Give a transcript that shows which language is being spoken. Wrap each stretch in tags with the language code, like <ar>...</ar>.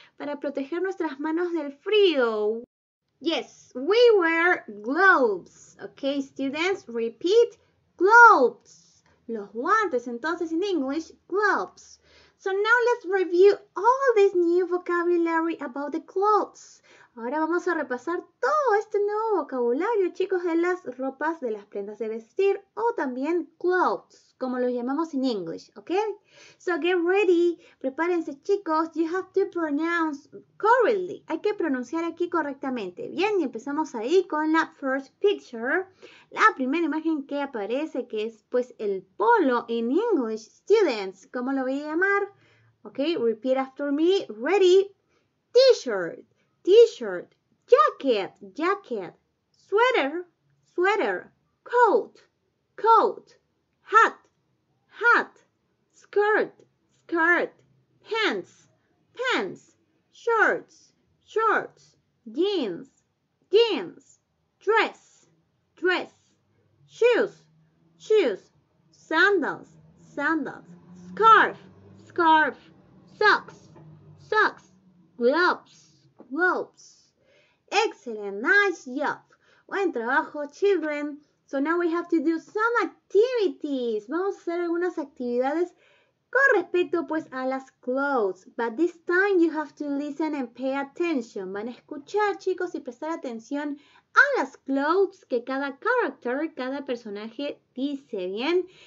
<es>Para proteger nuestras manos del frío.</es> <en>Yes, we wear gloves. Okay, students, repeat, gloves.</en> <es>Los guantes, entonces</es> <en>in English, gloves. So now let's review all this new vocabulary about the clothes.</en> <es>Ahora vamos a repasar todo este nuevo vocabulario, chicos, de las ropas, de las prendas de vestir o también clothes, como lo llamamos en English, ¿ok?</es> <en>So get ready,</en> <es>prepárense, chicos,</es> <en>you have to pronounce correctly.</en> <es>Hay que pronunciar aquí correctamente, ¿bien? Y empezamos ahí con la first picture, la primera imagen que aparece, que es, pues, el polo en English, students, ¿cómo lo voy a llamar? ¿Ok?</es> <en>Repeat after me, ready, T-shirt, t-shirt, jacket, jacket, sweater, sweater, coat, coat, hat, hat, skirt, skirt, pants, pants, shorts, shorts, jeans, jeans, dress, dress, shoes, shoes, sandals, sandals, scarf, scarf, socks, socks, gloves, gloves. Excellent, nice job.</en> <es>Buen trabajo,</es> <en>children. So now we have to do some activities.</en> <es>Vamos a hacer algunas actividades con respecto pues a las clothes.</es> <en>But this time you have to listen and pay attention.</en> <es>Van a escuchar, chicos, y prestar atención a las clothes que cada character, cada personaje dice, ¿bien?</es>